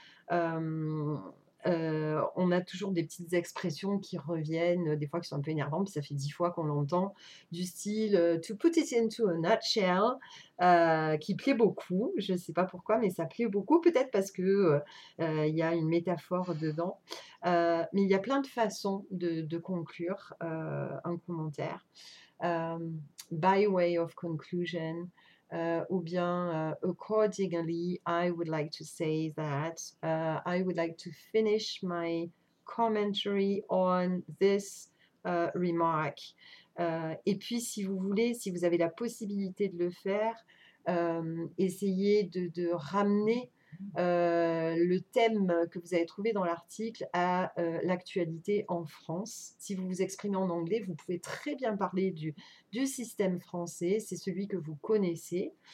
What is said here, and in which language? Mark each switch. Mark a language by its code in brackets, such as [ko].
[fr] On a toujours des petites expressions qui reviennent, des fois qui sont un peu énervantes, puis ça fait 10 fois qu'on l'entend, du style [en] to put it into a nutshell, [fr] qui plaît beaucoup. Je ne sais pas pourquoi, mais ça plaît beaucoup, peut-être parce que y a une métaphore dedans. Mais il y a plein de façons de conclure un commentaire. [en] By way of conclusion. [fr] Ou bien [en] accordingly, I would like to say that I would like to finish my commentary on this remark. [fr] Et puis, si vous voulez, si vous avez la possibilité de le faire, essayez de ramener le thème que vous avez trouvé dans l'article à l'actualité en France. Si vous vous exprimez en anglais, vous pouvez très bien parler du système français, c'est celui que vous connaissez.